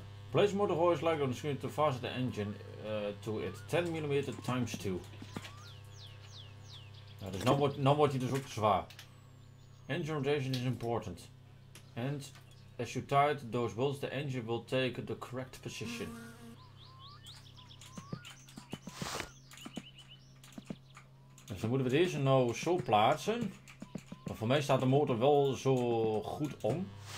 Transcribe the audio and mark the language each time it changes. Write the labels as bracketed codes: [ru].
[en] Place motorhoist like on the screen to fasten the engine to it. 10 mm times 2. [nl] Ja, dus nou wordt hij dus ook te zwaar. [en] Engine rotation is important. And as you tighten those bolts, the engine will take the correct position. [nl] Dus dan moeten we deze nou zo plaatsen. Maar voor mij staat de motor wel zo goed om.